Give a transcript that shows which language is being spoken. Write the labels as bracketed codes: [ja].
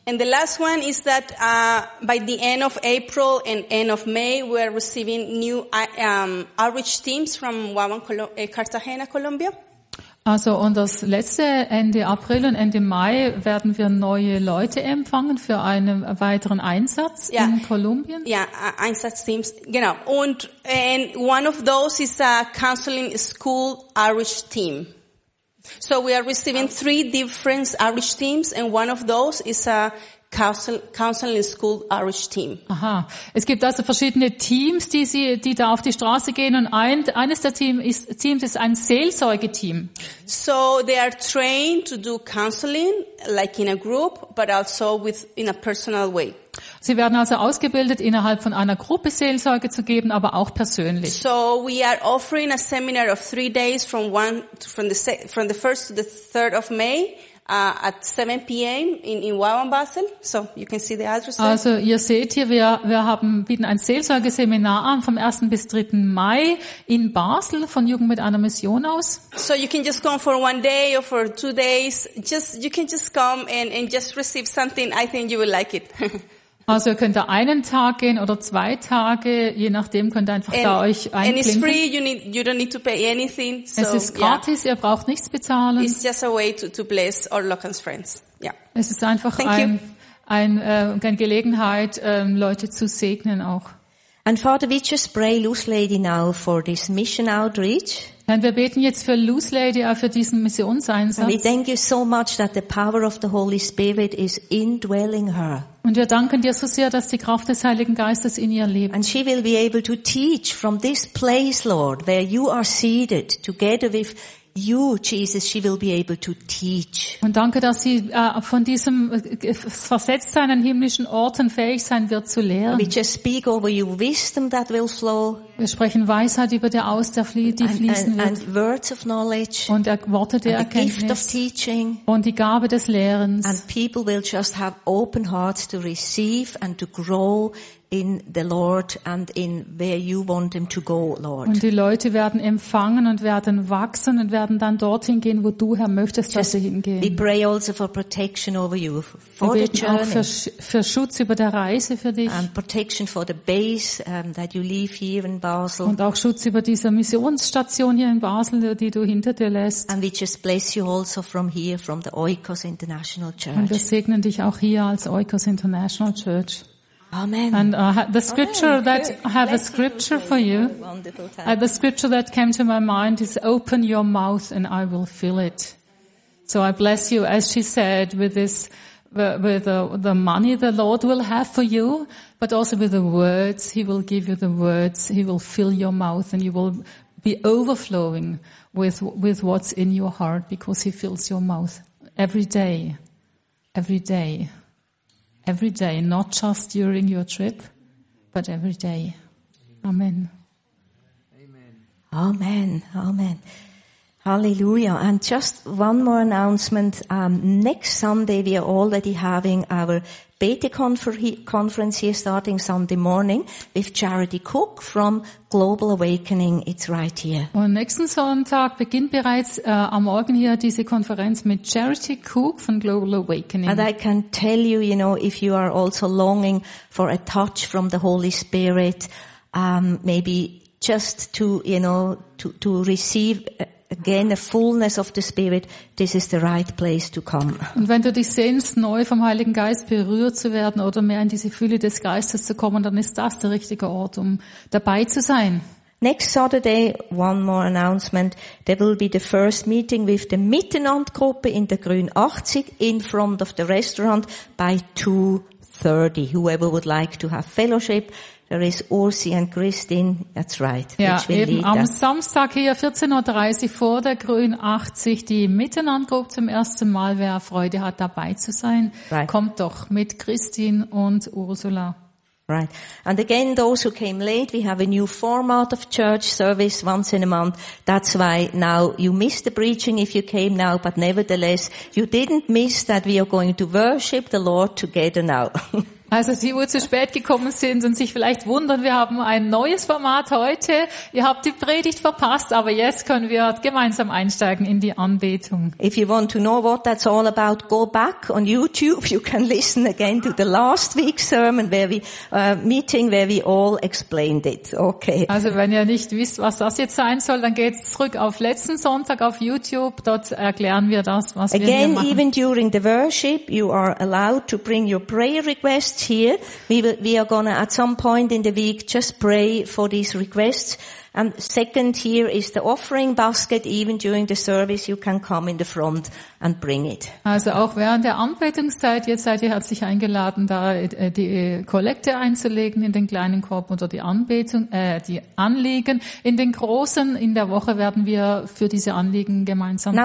[en] And the last one is that by the end of April and end of May, we are receiving new outreach teams from Wawan, Cartagena, Colombia. [de] Also und das letzte Ende April und Ende Mai werden wir neue Leute empfangen für einen weiteren Einsatz in Kolumbien. Ja, Einsatzteams, genau. Und [en] one of those is a counseling school outreach team. So we are receiving three different outreach teams and one of those is a counseling school outreach team. Aha. [de] Es gibt also verschiedene Teams, die da auf die Straße gehen und eines der Teams ist ein Seelsorgeteam. [en] So they are trained to do counseling like in a group but also with in a personal way. [de] Sie werden also ausgebildet, innerhalb von einer Gruppe Seelsorge zu geben, aber auch persönlich. [en] So we are offering a seminar of 3 days from the first to the 3rd of May. At 7 p.m. in Wawan, Basel. So you can see the address. [de] Also ihr seht hier, wir bieten ein Seelsorgeseminar an vom 1. bis 3. Mai in Basel von Jugend mit einer Mission aus. [en] So you can just come for one day or for 2 days. You can just come and just receive something. I think you will like it. [de] Also ihr könnt da einen Tag gehen oder 2 Tage, je nachdem könnt ihr einfach da euch einklinken. [en] And it's free, you don't need to pay anything. So, [de] es ist gratis, ihr braucht nichts bezahlen. [en] It's just a way to bless our local friends. Yeah. [de] Es ist einfach eine Gelegenheit, Leute zu segnen auch. [en] And Father, we just pray Loose Lady now for this mission outreach. [de] Und wir beten jetzt für Loose Lady, auch für diesen Missionseinsatz. [en] We thank you so much that the power of the Holy Spirit is indwelling her. [de] Und wir danken dir so sehr, dass die Kraft des Heiligen Geistes in ihr lebt. [en] And she will be able to teach from this place, Lord, where you are seated, together with you, Jesus, she will be able to teach. [de] Und danke, dass sie von diesem Versetztsein an himmlischen Orten fähig sein wird zu lehren. [en] We just speak over you wisdom that will flow. [de] Wir sprechen Weisheit über dir aus, die fließen wird. [en] And words of knowledge. [de] Und Worte der Erkenntnis. [en] And the gift of teaching. [de] Und die Gabe des Lehrens. [en] And people will just have open hearts to receive and to grow in the Lord and in where you want them to go, Lord. [de] Und die Leute werden empfangen und werden wachsen und werden dann dorthin gehen, wo du, Herr, möchtest, dass sie hingehen. [en] We pray also for protection over you, for the journey. [de] Wir beten auch für Schutz über der Reise für dich. [en] And protection for the base that you leave here in Basel. [de] Und auch Schutz über dieser Missionsstation hier in Basel, die du hinter dir lässt. [en] And we just bless you also from here, from the Oikos International Church. [de] Und wir segnen dich auch hier als Oikos International Church. [en] Amen. And the scripture Amen. That I have Bless a scripture you. For you. The scripture that came to my mind is open your mouth and I will fill it. So I bless you as she said with this with the money the Lord will have for you, but also with the words he will give you, the words he will fill your mouth and you will be overflowing with what's in your heart because he fills your mouth every day. Every day. Every day, not just during your trip, but every day. Amen. Amen. Amen. Amen. Hallelujah. And just one more announcement. Next Sunday, we are already having our Beta conference here starting Sunday morning with Charity Cook from Global Awakening. It's right here. [de] Und nächsten Sonntag beginnt bereits am Morgen hier diese Konferenz mit Charity Cook von Global Awakening. [en] And I can tell you, you know, if you are also longing for a touch from the Holy Spirit, maybe just to, you know, to receive again, the fullness of the Spirit, this is the right place to come. [de] Und wenn du dich sehnst, neu vom Heiligen Geist berührt zu werden oder mehr in diese Fülle des Geistes zu kommen, dann ist das der richtige Ort, um dabei zu sein. [en] Next Saturday, one more announcement, there will be the first meeting with the Miteinandgruppe [de] in der [en] Grün 80 in front of the restaurant by 2:30. Whoever would like to have fellowship, there is Ursi and Christine, that's right. [de] Ja, eben am Samstag hier 14.30 Uhr vor der Grün 80, die Miteinandgruppe zum ersten Mal, wer Freude hat, dabei zu sein, [en] right. [de] Kommt doch mit Christine und Ursula. [en] Right. And again, those who came late, we have a new format of church service once in a month. That's why now you missed the preaching if you came now, but nevertheless, you didn't miss that we are going to worship the Lord together now. [de] Also die, wo zu spät gekommen sind und sich vielleicht wundern, wir haben ein neues Format heute. Ihr habt die Predigt verpasst, aber jetzt können wir gemeinsam einsteigen in die Anbetung. [en] If you want to know what that's all about, go back on YouTube. You can listen again to the last week's sermon where we meeting where we all explained it. Okay. [de] Also wenn ihr nicht wisst, was das jetzt sein soll, dann geht zurück auf letzten Sonntag auf YouTube. Dort erklären wir das, was [en] again, [de] wir hier machen. [en] Again, even during the worship, you are allowed to bring your prayer request. Here we are gonna at some point in the week just pray for these requests. And second, here is the offering basket. Even during the service, you can come in the front and bring it. [de] Also auch während der Anbetungszeit, jetzt seid ihr herzlich eingeladen, da die Kollekte einzulegen in den kleinen Korb oder die Anbetung, die Anliegen in den großen. In der Woche werden wir für diese Anliegen gemeinsam beten.